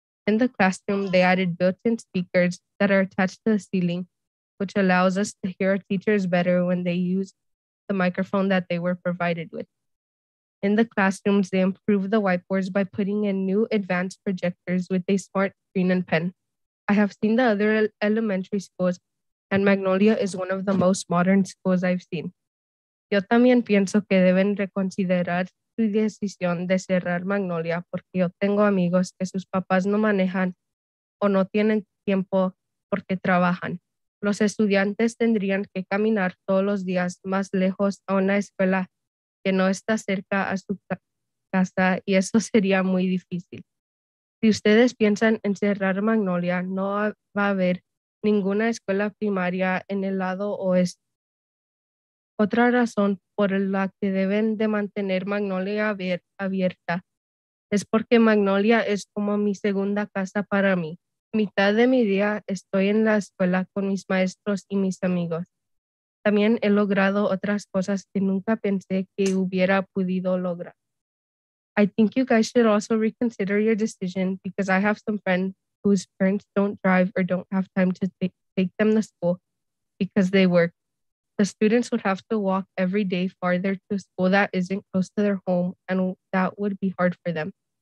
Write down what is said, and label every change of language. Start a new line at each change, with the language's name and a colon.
English: In the classroom, they added built-in speakers that are attached to the ceiling, which allows us to hear our teachers better when they use the microphone that they were provided with. In the classrooms, they improved the whiteboards by putting in new advanced projectors with a smart screen and pen. I have seen the other elementary schools, and Magnolia is one of the most modern schools I've seen.
Spanish: Yo también pienso que deben reconsiderar su decisión de cerrar Magnolia porque yo tengo amigos que sus papás no manejan o no tienen tiempo porque trabajan. Los estudiantes tendrían que caminar todos los días más lejos a una escuela que no está cerca a su casa y eso sería muy difícil. Si ustedes piensan en cerrar Magnolia, no va a haber ninguna escuela primaria en el lado oeste. Otra razón por la que deben de mantener Magnolia abierta es porque Magnolia es como mi segunda casa para mí. Mitad de mi día estoy en la escuela con mis maestros y mis amigos. También he logrado otras cosas que nunca pensé que hubiera podido lograr.
English: I think you guys should also reconsider your decision because I have some friends whose parents don't drive or don't have time to take them to school because they work. The students would have to walk every day farther to a school that isn't close to their home, and that would be hard for them.